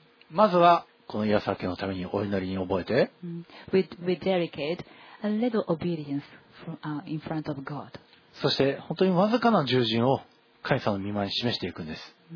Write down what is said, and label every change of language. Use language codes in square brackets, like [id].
[ja] まずはこの岩沢家のためにお祈りに覚えて。 [en] We dedicate a little obedience in front of God. [ja] そして本当にわずかな従順を神様の御前に示していくんです。